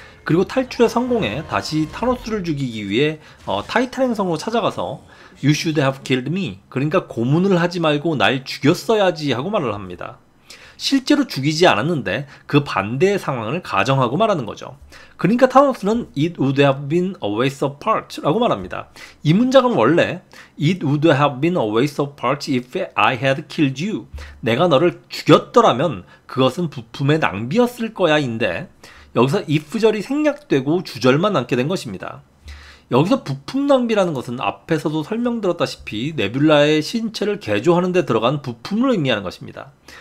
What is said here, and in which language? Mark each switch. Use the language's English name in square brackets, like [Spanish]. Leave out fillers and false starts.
[Korean] 그리고 탈출에 성공해 다시 타노스를 죽이기 위해 타이탄 행성으로 찾아가서 [English] You should have killed me. [Korean] 그러니까 고문을 하지 말고 날 죽였어야지 하고 말을 합니다. 실제로 죽이지 않았는데 그 반대의 상황을 가정하고 말하는 거죠. 그러니까 타노스는 [English] It would have been a waste of parts [Korean] 라고 말합니다. 이 문장은 원래 [English] It would have been a waste of parts if I had killed you. [Korean] 내가 너를 죽였더라면 그것은 부품의 낭비였을 거야 인데 여기서 if절이 생략되고 주절만 남게 된 것입니다. 여기서 부품 낭비라는 것은 앞에서도 설명드렸다시피 네뷸라의 신체를 개조하는 데 들어간 부품을 의미하는 것입니다.